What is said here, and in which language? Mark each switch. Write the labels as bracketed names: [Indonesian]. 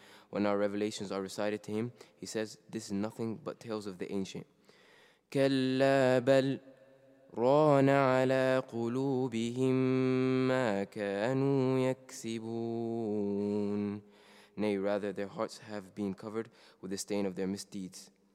[English] When our revelations are recited to him, he says, this is nothing but tales of the ancient. [Arabic] كلا بل ران على قلوبهم ما كانوا يكسبون. [English] Nay, rather, their hearts have been covered with the stain of their misdeeds.